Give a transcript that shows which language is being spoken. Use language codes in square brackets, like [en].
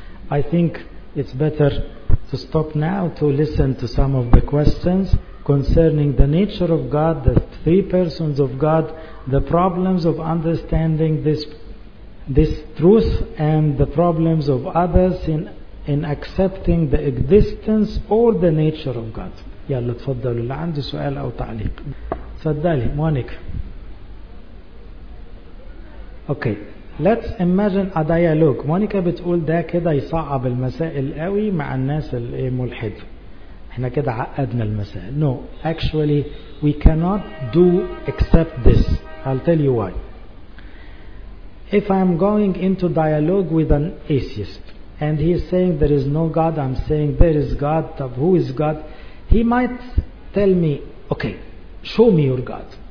[en] I think it's better to stop now to listen to some of the questions concerning the nature of God, the three persons of God, the problems of understanding this truth, and the problems of others in accepting the existence or the nature of God. [ar] يلا تفضلوا اللي عنده سؤال او تعليق. تفضلي مونيكا. [en] Okay. Let's imagine a dialogue. [ar] Monica بتقول ده كده يصعب المسائل قوي مع الناس الملحدة. احنا كده عقدنا المسائل. [en] No, actually we cannot do except this. I'll tell you why. If I'm going into dialogue with an atheist, and he's saying there is no God, I'm saying there is God, who is God? He might tell me, okay, show me your God.